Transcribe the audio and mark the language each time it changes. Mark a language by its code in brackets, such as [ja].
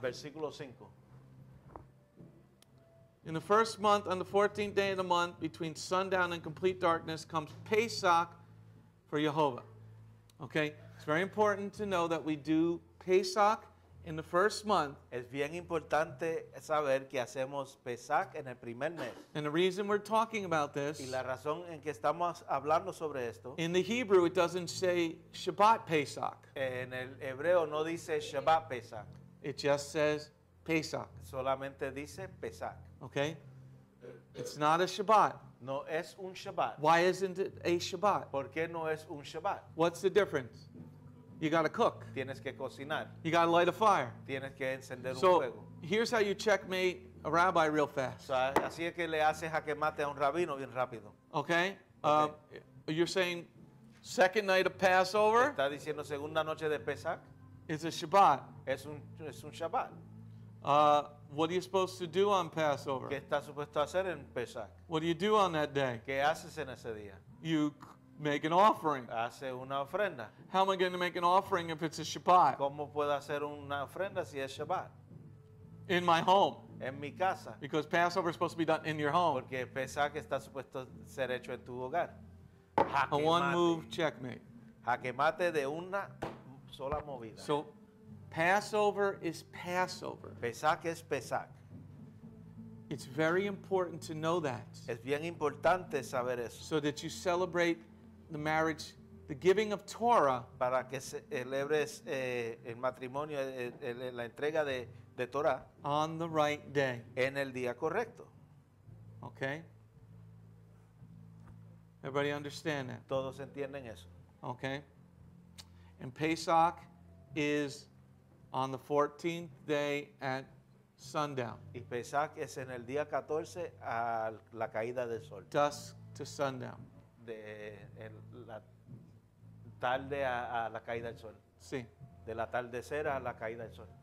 [es] Versículo 5. [en] In the first month, on the 14th day of the month, between sundown and complete darkness, comes Pesach for Jehovah. Okay? It's very important to know that we do Pesach in the first month. [es] Es bien importante saber que hacemos Pesach en el primer mes. [en] And the reason we're talking about this, [es] y la razón en que estamos hablando sobre esto, [en] in the Hebrew it doesn't say Shabbat Pesach. [es] En el hebreo no dice Shabbat Pesach. [en] It just says Pesach. [es] Solamente dice Pesach. [en] Okay? It's not a Shabbat. [es] No es un Shabbat. [en] Why isn't it a Shabbat? [es] ¿Por qué no es un Shabbat? [en] What's the difference? You got to cook. [es] Tienes que cocinar. [en] You got to light a fire. [es] Tienes que encender [en] so [es] un fuego. [en] Here's how you checkmate a rabbi real fast. [es] So, así es que le haces jaque mate a un rabino bien rápido. [en] Okay? Okay. You're saying second night of Passover? [es] ¿Está diciendo segunda noche de Pesach? [en] It's a Shabbat. [es] Es un Shabbat. [en] What are you supposed to do on Passover? [es] ¿Qué estás supuesto a hacer en Pesach? [en] What do you do on that day? [es] ¿Qué haces en ese día? [en] You make an offering. [es] Hace una ofrenda. [en] How am I going to make an offering if it's a Shabbat? [es] ¿Cómo puedo hacer una ofrenda si es Shabbat? [en] In my home. [es] En mi casa. [en] Because Passover is supposed to be done in your home. [es] Porque Pesach está supuesto ser hecho en tu hogar. Jaque mate. [en] A one move checkmate. [es] Jaque mate de una sola movida. [en] So, Passover is Passover. [es] Pesach es Pesach. [en] It's very important to know that. [es] Es bien importante saber eso. [en] So that you celebrate the marriage, the giving of Torah. [es] Para que celebres el matrimonio, la entrega de Torah. [en] On the right day. [es] En el día correcto. [en] Okay. Everybody understand that. [es] Todos entienden eso. [en] Okay. And Pesach is on the 14th day at sundown. [es] Y Pesach es en el día 14 a la caída del sol. [en] Dusk to sundown. [es] De la tarde a la caída del sol. Sí. De la atardecer a la caída del sol.